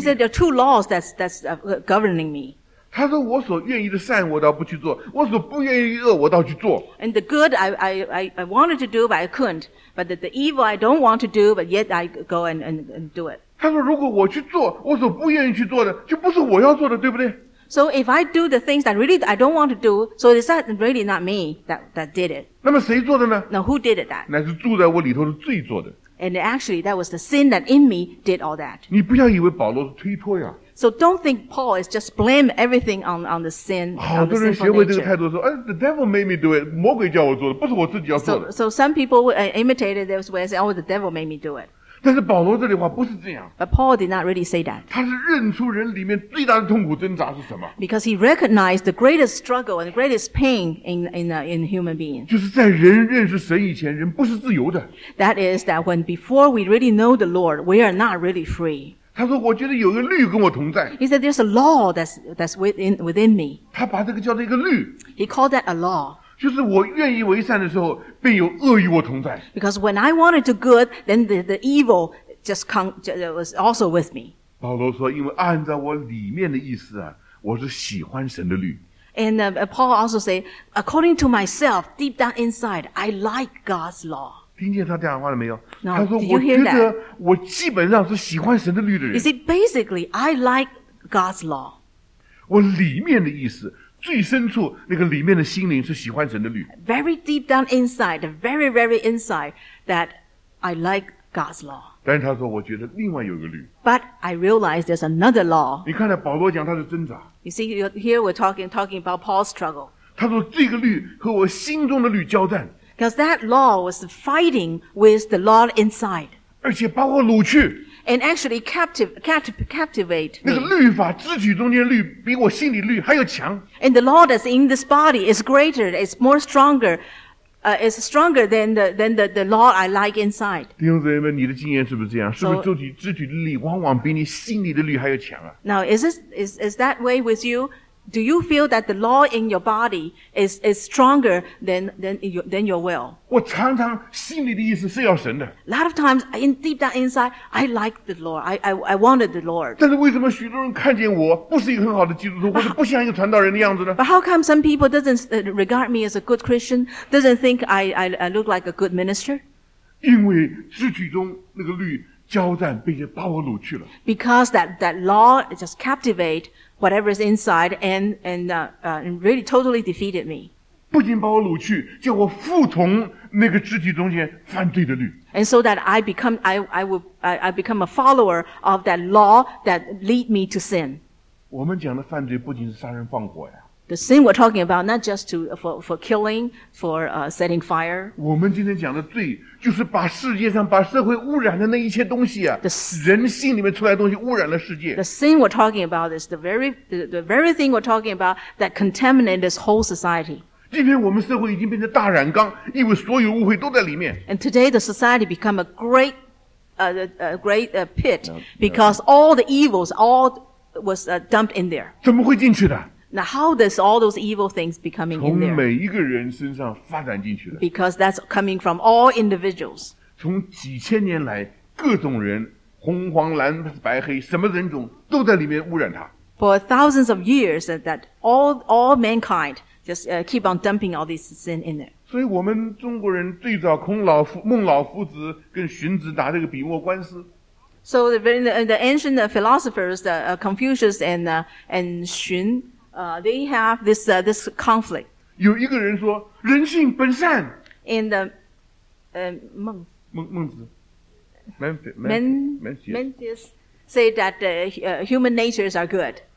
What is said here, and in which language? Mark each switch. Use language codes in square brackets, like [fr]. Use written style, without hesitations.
[en] He said, there are two laws that's governing me. [zh] 他说我所愿意的善我倒不去做我所不愿意恶我倒去做。 [en] And the good I wanted to do but I couldn't. But the evil I don't want to do but yet I go and do it. [zh] 他说如果我去做我所不愿意去做的就不是我要做的对不对 [en] So if I do the things that really I don't want to do, so is that really not me that did it? [zh] 那么谁做的呢 [en] Now who did it that? [zh] 乃是住在我里头的罪做的。 [en] And actually that was the sin that in me did all that. [zh] 你不要以为保罗是推脱呀。 [en] So don't think Paul is just blame everything on the sin. [zh] 好多人学会这个态度说，哎 ， [en] the devil made me do it， [zh] 魔鬼叫我做的，不是我自己要做的。 [en] So some people imitated this way, say, "Oh, the devil made me do it." [zh] 但是保罗这里话不是这样。 [en] But Paul did not really say that. [zh] 他是认出人里面最大的痛苦挣扎是什么 [en] ？Because he recognized the greatest struggle and the greatest pain in human being. [zh] 就是在人认识神以前，人不是自由的。 [en] That is that when before we really know the Lord, we are not really free. [zh] 他说我觉得有个律跟我同在。 [en] He said there's a law that's within me. [zh] 他把这个叫做一个律。 [en] He called that a law. [zh] 就是我愿意为善的时候便有恶与我同在。 [en] Because when I wanted to good, then the evil just come, was also with me. [zh] 保罗说因为按照我里面的意思啊我是喜欢神的律。 [en] And Paul also said, according to myself, deep down inside, I like God's law. [zh] 听见他这样的话了没有 [en] no, [zh] 他说我觉得我基本上是喜欢神的律的人。 [en] You see, basically, I like God's law. [zh] 我里面的意思最深处那个里面的心灵是喜欢神的律。 [en] Very deep down inside, very, very inside, that I like God's law. [zh] 但是他说我觉得另外有一个律。 [en] But I realize there's another law. [zh] 你看到保罗讲他的挣扎。 [en] You see, here we're talking about Paul's struggle. [zh] 他说这个律和我心中的律交战。 [en] Because that law was fighting with the law inside. [zh] 而且把我掳去。 [en] And actually captivate me. [zh] 那个律法肢体中间的律比我心里律还要强。 [en] And the law that's in this body is greater, it's more stronger, is stronger than the law I like inside. [zh] 弟兄姊妹们你的经验是不是这样是不是肢体的律往往比你心里的律还要强啊 [en] Now, is that way with you? Do you feel that the law in your body is stronger than your will? [zh] 我常常心里的意思是要神的。 [en] A lot of times, deep down inside, I like the Lord. I wanted the Lord. [zh] 但是为什么许多人看见我不是一个很好的基督徒，或者不像一个传道人的样子呢 [en] ？But how come some people doesn't regard me as a good Christian? Doesn't think I look like a good minister? [zh] 因为肢体中那个律交战，并且把我掳去了。 [en] Because that law just captivate. Whatever is inside and really totally defeated me. [zh] 不仅把我掳去，叫我服从那个肢体中间犯罪的律。 [en] And so that I become a follower of that law that lead me to sin. [zh] 我们讲的犯罪不仅是杀人放火呀。 [en] The sin we're talking about not just for killing, for setting fire. [zh] 我们今天讲的罪就是把世界上把社会污染的那一切东西啊 人心里面出来的东西污染了世界。 [en] The sin we're talking about is the very thing we're talking about that contaminated this whole society. [zh] 今天我们社会已经变成大染缸因为所有污秽都在里面。 [en] And today the society become a great pit because all the evils all was dumped in there. [zh] 怎么会进去的 [en] Now, how does all those evil things becoming in there? [zh] 从每一个人身上发展进去的。 [en] Because that's coming from all individuals. [zh] 从几千年来，各种人，红黄蓝白黑，什么人种都在里面污染它。 [en] For thousands of years, that all mankind just keep on dumping all this sin in there. [zh] 所以我们中国人最早孟老夫子跟荀子打这个笔墨官司。 [en] So the ancient philosophers, Confucius and Xun. They have this conflict. [zh] 有一个人说人性本善。 [en] In the, 孟。 [zh] 孟, 孟子。 [en] Mencius say that human natures are good.